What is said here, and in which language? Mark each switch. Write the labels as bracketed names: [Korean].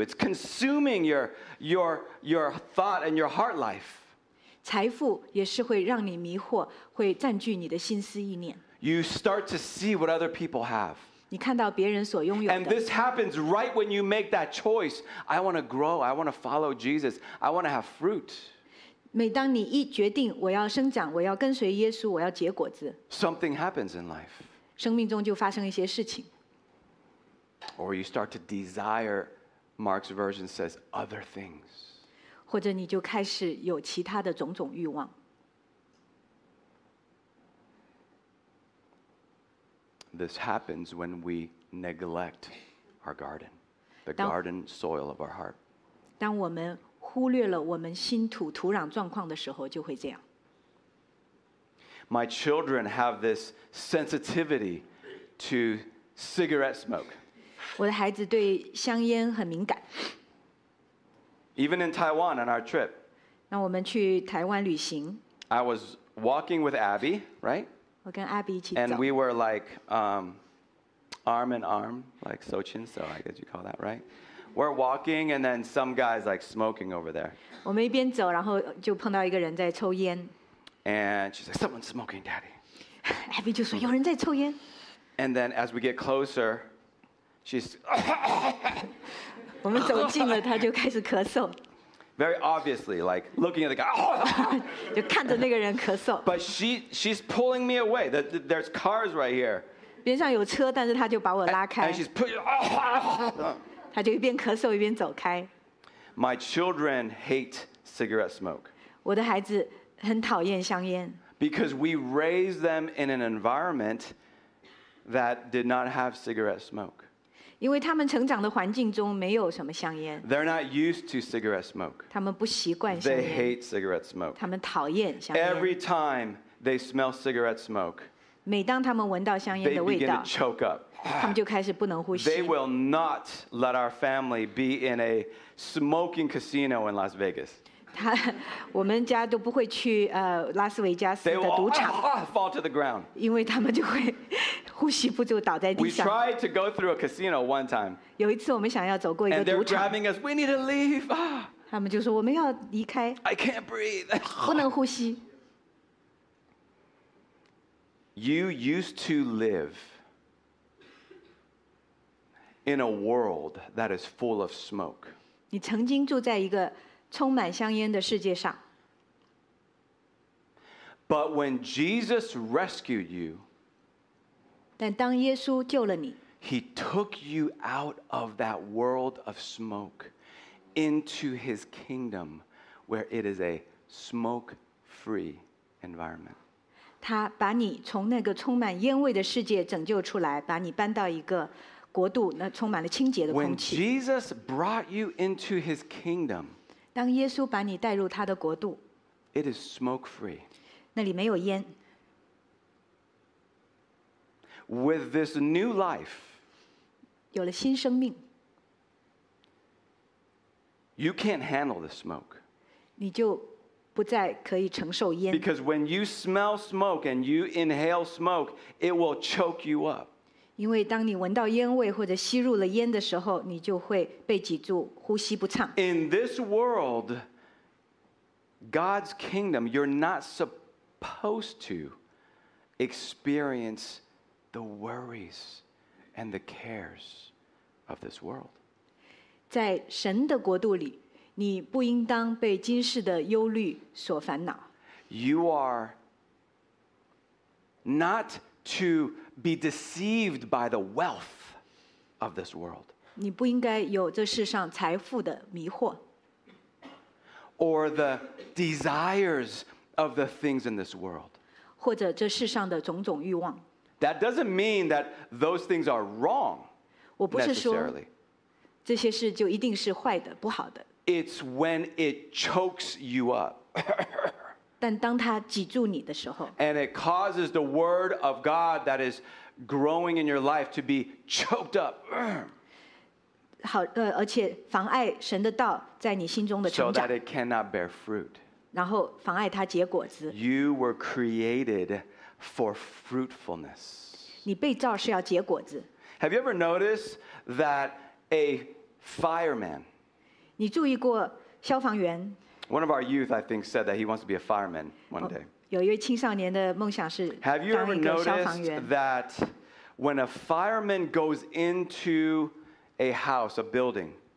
[English] It's consuming your thought and your heart life. [Chinese] 财富也是会让你迷惑，会占据你的心思意念。 [English] You start to see what other people have. [Chinese] 你看到别人所拥有的。 [English] And this happens right when you make that choice. I want to grow. I want to follow Jesus. I want to have fruit. [Chinese] 每当你一决定我要生长，我要跟随耶稣，我要结果子。 [English] Something happens in life. [Chinese] 生命中就发生一些事情。 [English] Or you start to desire, Mark's version says, other things. [Chinese] 或者你就开始有其他的种种欲望。 [English] This happens when we neglect our garden, the garden soil of our heart. [Chinese] 当我们忽略了我们心土土壤状况的时候，就会这样。 [English] My children have this sensitivity to cigarette smoke. [Chinese] 我的孩子对香烟很敏感。 [English] Even in Taiwan on our trip. [Chinese] 那我们去台湾旅行。 [English] I was walking with Abby, right? [Chinese] 我跟 Abby 一起走。 [English] And we were like arm in arm, like so chin so, I guess you call that, right? We're walking and then some guy's like smoking over there. [Chinese] 我们一边走，然后就碰到一个人在抽烟。 [English] And she's like, someone's smoking, daddy. [Chinese] Abby 就说有人在抽烟。 [English] And then as we get closer, she's... [Chinese] 我们走近了，她就开始咳嗽。 [English] Very obviously, like looking at the guy. [Chinese] 就看着那个人咳嗽。 [English] But she's pulling me away. There's cars right here. [Chinese] 边上有车，但是他就把我拉开。 [English] And she's pushing. [Chinese] 他就一边咳嗽一边走开。 [English] My children hate cigarette smoke. [Chinese] 我的孩子很讨厌香烟。 [English] Because we raised them in an environment that did not have cigarette smoke. [Chinese] 因为他们成长的环境中没有什么香烟。 [English] They're not used to cigarette smoke. [Chinese] 他们不习惯香烟。 [English] They hate cigarette smoke. [Chinese] 他们讨厌香烟。 [English] Every time they smell cigarette smoke, [Chinese] 每当他们闻到香烟的味道， [English] they begin to choke up. [Chinese] 他们就开始不能呼吸。 [English] They will not let our family be in a smoking casino in Las Vegas. [Chinese] 我们家都不会去拉斯维加斯的赌场。 [English] They will fall to the ground. [Chinese] 因为他们就会呼吸不住倒在地上。 [English] We tried to go through a casino one time. [Chinese] 有一次我们想要走过一个赌场。 [English] And they're grabbing us. We need to leave. [Chinese] 他们就说我们要离开。 [English] I can't breathe. [Chinese] 不能呼吸。 [English] You used to live in a world that is full of smoke. [Chinese] 你曾经住在一个充满香烟的世界上。 [English] But when Jesus rescued you, [Chinese] 但当耶稣救了你， [English] He took you out of that world of smoke into His kingdom where it is a smoke-free environment. [Chinese] 他把你从那个充满烟味的世界拯救出来，把你搬到一个国度，那充满了清洁的空气。 [English] When Jesus brought you into His kingdom, [Chinese] 当耶稣把你带入他的国度， [English] it is smoke-free. [Chinese] 那里没有烟。 [English] With this new life, [Chinese] 有了新生命， [English] you can't handle the smoke. [Chinese] 你就不再可以承受烟。 [English] Because when you smell smoke and you inhale smoke, it will choke you up. [Chinese] 因为当你闻到烟味或者吸入了烟的时候，你就会被挤住，呼吸不畅。 [English] In this world, God's kingdom, you're not supposed to experience the worries and the cares of this world. [Chinese] 在神的国度里，你不应当被今世的忧虑所烦恼。 [English] You are not to be deceived by the wealth of this world. [Chinese] 你不应该有这世上财富的迷惑。 [English] Or the desires of the things in this world. [Chinese] 或者这世上的种种欲望。 [English] That doesn't mean that those things are wrong necessarily. [Chinese] 这些事就一定是坏的，不好的。 [English] It's when it chokes you up. [Chinese] 但当它挤住你的时候。 [English] And it causes the word of God that is growing in your life to be choked up. [Chinese] 好，而且妨碍神的道在你心中的成长。 [English] So that it cannot bear fruit. [Chinese] 然后妨碍它结果子。 [English] You were created for fruitfulness. [Chinese] 你被造是要结果子。 [English] Have you ever noticed that a fireman? [Chinese] 你注意过消防员？ [English] One of our youth, I think, said that he wants to be a fireman one day. [Chinese] 有一位青少年的梦想是当一个消防员。 [English] Have you ever noticed that when a fireman goes into a house, a building?